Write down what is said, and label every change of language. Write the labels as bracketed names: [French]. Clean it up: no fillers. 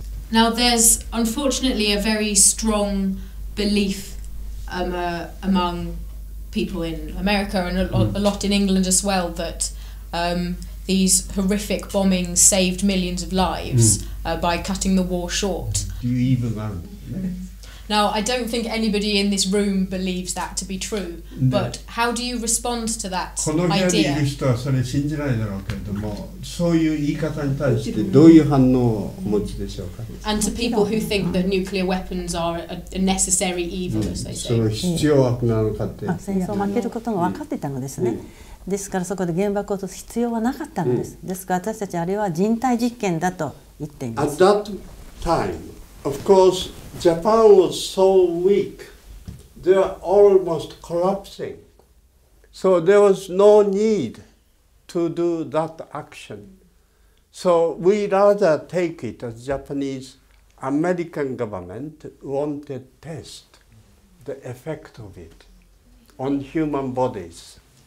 [English] Now there's unfortunately a very strongbelief among people in America and a lot in England as well that these horrific bombings saved millions of lives by cutting the war short. Do you even know? Now, I don't think anybody in this room believes that to be true, but how do you respond to that idea? [Japanese] この部屋にいる人はそれ信じないだろうけれども、そういう言い方に対してどういう反応をお持ちでしょうか? [English] And to people who think that nuclear weapons are a necessary evil, as they say. [Japanese] その必要悪なのかって。戦争を負けることが分かっていたのですね。ですからそこで原爆を落とす必要はなかったのです。ですから私たちあれは人体実験だと言っています。 [English] At that time, of course,Japan was so weak, they were almost collapsing. So there was no need to do that action. So we rather take it as Japanese American government wanted to test the effect of it on human bodies.